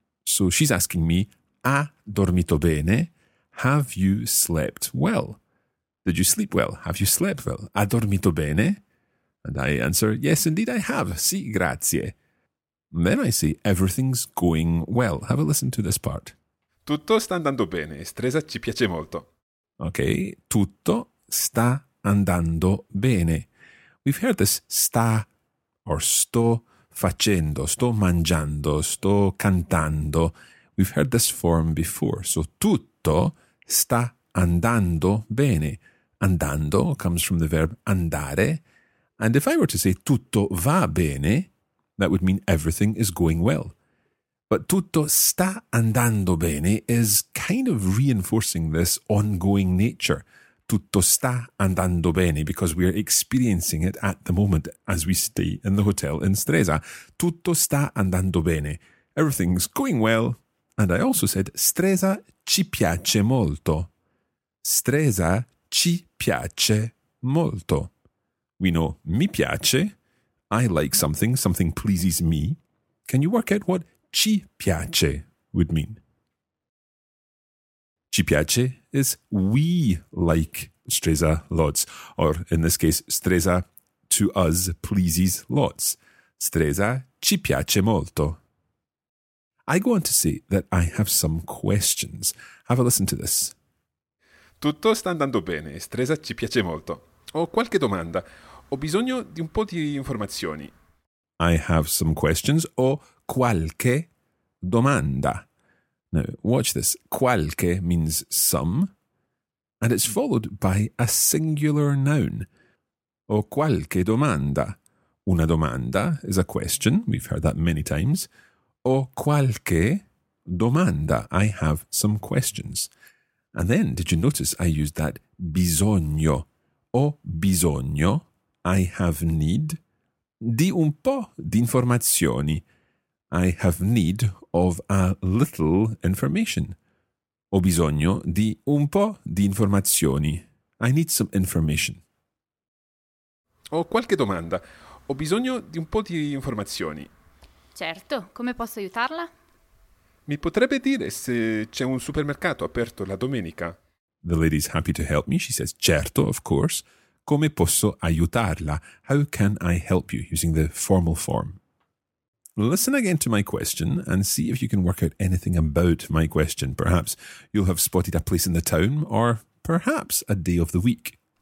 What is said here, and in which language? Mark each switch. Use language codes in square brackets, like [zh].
[en] So she's asking me, [it] ha dormito bene? [en] Have you slept well? Did you sleep well? Have you slept well? [it] Ha dormito bene? [en] And I answer, yes, indeed I have. [it] Sì, grazie. [en] And then I say, everything's going well. Have a listen to this part. [it] Tutto sta andando bene. Stresa ci piace molto. Okay, tutto sta andando bene. [en] We've heard this sta or sto facendo, sto mangiando, sto cantando. We've heard this form before. [it] So tutto sta andando bene. [en] Andando comes from the verb andare. And if I were to say [it] tutto va bene, [en] that would mean everything is going well. But [it] tutto sta andando bene [en] is kind of reinforcing this ongoing nature. [it] Tutto sta andando bene, [en] because we are experiencing it at the moment as we stay in the hotel in Stresa. [it] Tutto sta andando bene. [en] Everything's going well. And I also said [it] Stresa ci piace molto. Stresa ci piace molto. [en] We know [it] mi piace. [en] I like something. Something pleases me. Can you work out what ci piace would mean? Ci piace is we like Stresa lots, or in this case, Stresa to us pleases lots. [it] Stresa ci piace molto. [en] I go on to say that I have some questions. Have a listen to this. [it] Tutto sta andando bene, Stresa ci piace molto. Ho qualche domanda. Ho bisogno di un po' di informazioni. [en] I have some questions. [it] Ho qualche domanda. [en] Now, watch this. Qualche means some, and it's followed by a singular noun. [it] O qualche domanda. Una domanda [en] is a question. We've heard that many times. [it] O qualche domanda. [en] I have some questions. And then, did you notice I used that bisogno? [it] O bisogno. [en] I have need. [it] Di un po' di informazioni. [en] I have need of a little information. [it] Ho bisogno di un po' di informazioni. [en] I need some information. [it] Ho qualche domanda. Ho bisogno di un po' di informazioni. Certo, come posso aiutarla? Mi potrebbe dire se c'è un supermercato aperto la domenica? [en] The lady's happy to help me. She says, certo, of course. [it] Come posso aiutarla? [en] How can I help you? Using the formal form. Listen again to my question and see if you can work out anything about my question. Perhaps you'll have spotted a place in the town or perhaps a day of the week.